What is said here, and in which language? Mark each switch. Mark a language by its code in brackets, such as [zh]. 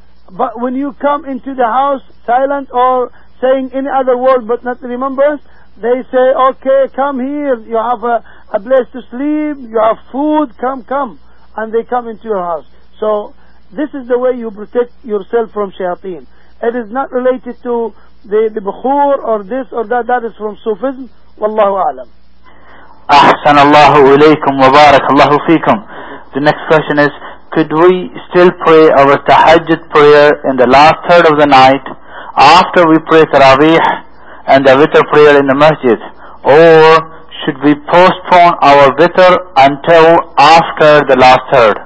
[en] But when you come into the house silent or saying any other word but not remembrance, they say, okay, come here, you have a place to sleep, you have food, come. And they come into your house. So this is the way you protect yourself from shayateen. It is not related to the bukhur or this or that. That is from Sufism. Wallahu alam. [ar] أحسن الله إليكم وبارك الله فيكم. [en] The next question is, could we still pray our tahajjud prayer in the last third of the night after we pray Tarawih and the Witr prayer in the masjid, or should we postpone our Witr until after the last third?